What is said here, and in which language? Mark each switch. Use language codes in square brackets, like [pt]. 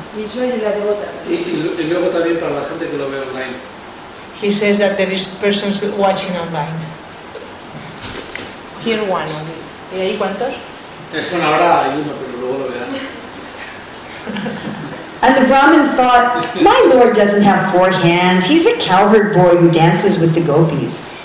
[es] Y luego también para la gente que lo ve online. [en] He says that there is persons watching online. Here one only. [es] ¿Y ahí cuántos? Es una hora, hay uno, pero luego lo verán. [en] And the Brahmin thought, my lord doesn't have four hands. He's a cowherd boy who dances with the gopis.